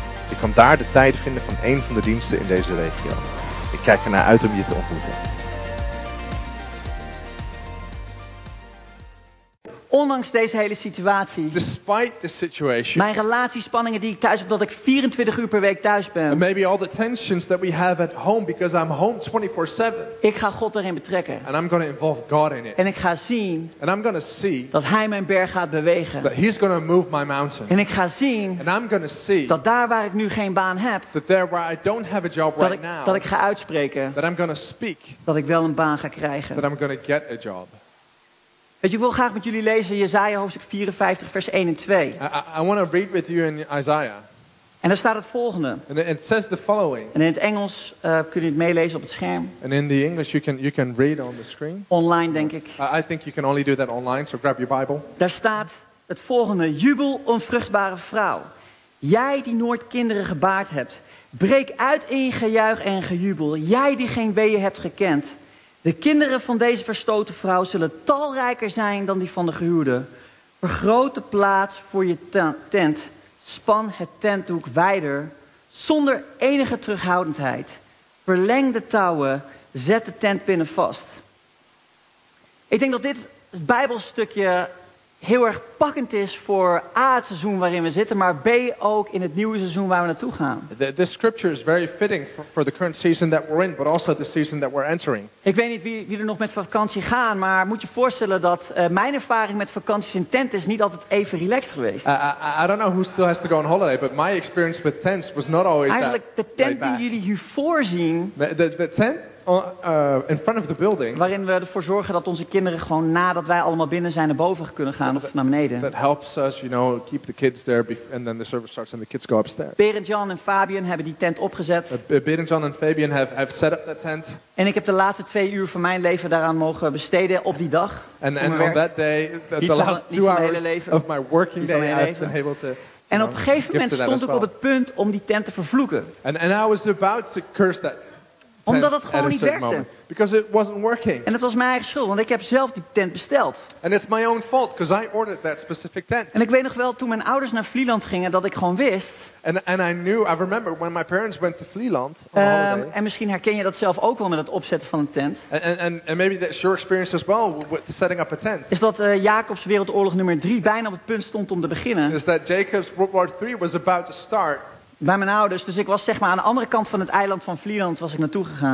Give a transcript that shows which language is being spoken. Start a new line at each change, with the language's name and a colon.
Dutch: Je kan daar de tijd vinden van één van de diensten in deze regio. Ik kijk ernaar uit om je te ontmoeten. Ondanks deze hele situatie.
English: Despite the situation.
Dutch: Mijn relatiespanningen die ik thuis heb, omdat ik 24 uur per week thuis ben.
English: And maybe all the tensions that we have at home because I'm home 24/7.
Dutch: Ik ga God erin betrekken.
English: And I'm going to involve God in it.
Dutch: En ik ga zien.
English: And I'm going to see.
Dutch: Dat hij mijn berg gaat bewegen.
English: That he's going to move my mountain.
Dutch: En ik ga zien.
English: And I'm going to see.
Dutch: Dat daar waar ik nu geen baan heb.
English: That there where I don't have a job right now.
Dutch: Dat ik ga uitspreken.
English: That I'm going to speak.
Dutch: Dat ik wel een baan ga krijgen.
English: That I'm going to get a job.
Dutch: Weet je, ik wil graag met jullie lezen Jesaja hoofdstuk 54 vers 1 en 2.
English: I want to read with you in Isaiah.
Dutch: En daar staat het volgende.
English: And it says the following.
Dutch: En in het Engels kun je het meelezen op het scherm.
English: And in the English you can read on the screen.
Dutch: Online denk ik.
English: I think you can only do that online, so grab your Bible.
Dutch: Daar staat het volgende: jubel, onvruchtbare vrouw, jij die nooit kinderen gebaard hebt, breek uit in gejuich en gejubel, jij die geen weeën hebt gekend. De kinderen van deze verstoten vrouw zullen talrijker zijn dan die van de gehuwde. Vergroot de plaats voor je tent. Span het tentdoek wijder, zonder enige terughoudendheid. Verleng de touwen, zet de tentpinnen vast. Ik denk dat dit Bijbelstukje heel erg pakkend is voor A, het seizoen waarin we zitten, maar B, ook in het nieuwe seizoen waar we naartoe gaan.
English: This scripture is very fitting for the current season that we're in, but also the season that we're entering.
Dutch: Ik weet niet wie er nog met vakantie gaan, maar moet je voorstellen dat mijn ervaring met vakanties in tent is niet altijd even relaxed geweest.
English: I don't know who still has to go on holiday, but my experience with tents was not always
Dutch: eigenlijk
English: that
Dutch: de tent die jullie hiervoor zien.
English: The tent? In front of the building,
Dutch: waarin we ervoor zorgen dat onze kinderen gewoon nadat wij allemaal binnen zijn naar boven kunnen gaan of naar beneden.
English: That helps us, you know, keep the kids there and then the service starts and the kids go upstairs.
Dutch: Berend Jan en Fabian hebben die tent opgezet.
English: Berend Jan en Fabian have set up that tent.
Dutch: En ik heb de laatste 2 uur van mijn leven daaraan mogen besteden op die dag.
English: And on that day, the last 2 hours of my working day, I've been able to.
Dutch: En op een gegeven moment stond ik op het punt om die tent te vervloeken.
English: And I was about to curse that.
Dutch: Omdat het gewoon niet werkte.
English: Moment. Because it wasn't working.
Dutch: En het was mijn eigen schuld, want ik heb zelf die tent besteld.
English: And it's my own fault, because I ordered that specific tent.
Dutch: En ik weet nog wel, toen mijn ouders naar Vlieland gingen, dat ik gewoon wist.
English: And I knew, I remember when my parents went to Vlieland.
Dutch: En misschien herken je dat zelf ook wel met het opzetten van een tent.
English: And maybe that's your experience as well with setting up a tent.
Dutch: Is dat Jacob's Wereldoorlog nummer 3 bijna op het punt stond om te beginnen?
English: Is that Jacob's World War 3 was about to start?
Dutch: Bij mijn ouders, dus ik was zeg maar aan de andere kant van het eiland van Vlieland was ik naartoe gegaan.